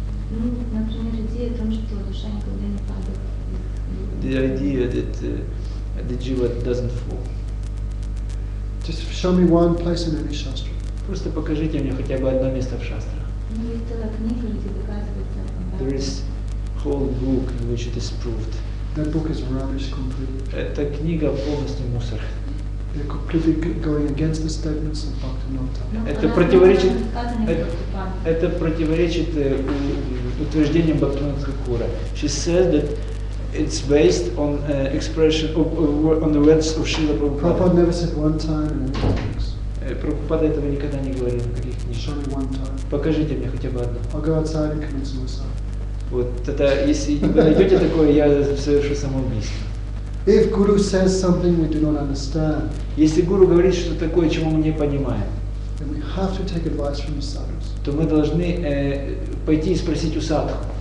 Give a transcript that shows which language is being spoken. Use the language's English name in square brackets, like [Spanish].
[Russian] Ну, например, идея о том, что душа никогда не падает. [English] The idea that the jiva doesn't fall. Just show me one place in any shastra. [Russian] Просто покажите мне хотя бы одно место в шастрах. Ну, это книга, где доказывается. [English] There is whole book in which it is proved. That book is rubbish completely. [Russian] Эта книга полностью мусор. [English] They're completely going against the statements of Bhaktivinoda. [Russian] Это противоречит утверждениям Бхактивинода Тхакура. [English] She says that it's based on expression on the words of Srila Prabhupada. Prabhupada never said one time in any books. [Russian] Прабхупада этого никогда не говорил в каких книгах. [English] Show me one time. [Russian] Покажите мне хотя бы одно. [English] I'll go outside and commit suicide. [Russian] Вот это, если вы найдете такое, я совершу самоубийство. [English] If guru says something we do not understand, [Russian] если гуру говорит что-то такое, чего мы не понимаем, [English] then we have to take advice from the sadhus. [Russian] То мы должны пойти и спросить у садху.